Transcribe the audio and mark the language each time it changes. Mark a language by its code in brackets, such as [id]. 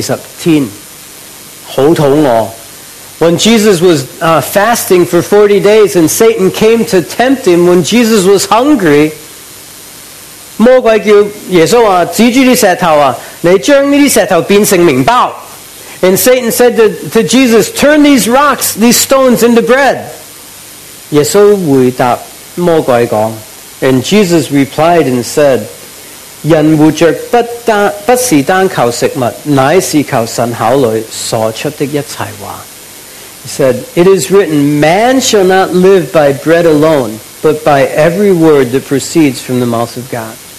[zh] 当魔鬼来试探耶稣的时候，耶稣禁食40天，好肚饿。 [en] When Jesus was fasting for 40 days and Satan came to tempt him when Jesus was hungry, [zh] 魔鬼叫耶稣说，指着这些石头，你将这些石头变成面包。 [en] And Satan said to Jesus, turn these rocks, these stones into bread. [zh] 耶稣回答魔鬼说， [en] And Jesus replied and said, [zh] 人活着不是单靠食物，乃是靠神口里所出的一切话。 [en] He said, it is written, man shall not live by bread alone, but by every word that proceeds from the mouth of God.